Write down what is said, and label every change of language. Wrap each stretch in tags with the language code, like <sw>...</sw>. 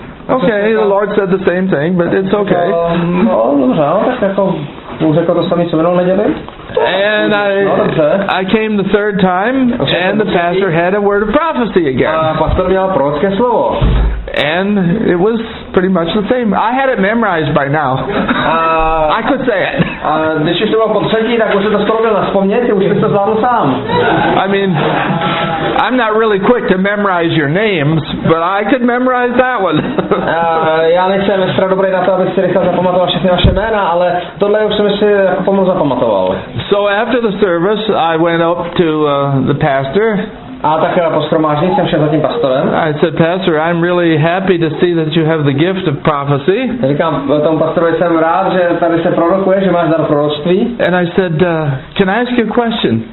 <en>Okay, the Lord said the same thing, but it's okay. And I came the third time, and the pastor had a word of prophecy again. And it was pretty much the same. I had it memorized by now. I could say it.</en> <cs>Když už to bylo po třetí, tak už se to skoro nedá vzpomnět, už bych to zvládl sám.</cs> <en>I mean, I'm not really quick to memorize your names, but I could memorize that one.</en> <cs>Já nejsem extra dobrý na to, abych si rychle zapamatoval všechny vaše jména, ale tohle už jsem si pomalu zapamatoval.</cs> <en>So after the service, I went up to the pastor.</en> <cs>A tak po shromáždění jsem šel za tím pastorem.</cs> <en>I said, Pastor, I'm really happy to see that you have the gift of prophecy.</en> <cs>Říkám tomu pastorovi, jsem rád, že tady se prorokuje, že máš dar proroctví.</cs> <en>And I said, can I ask you a question?</en>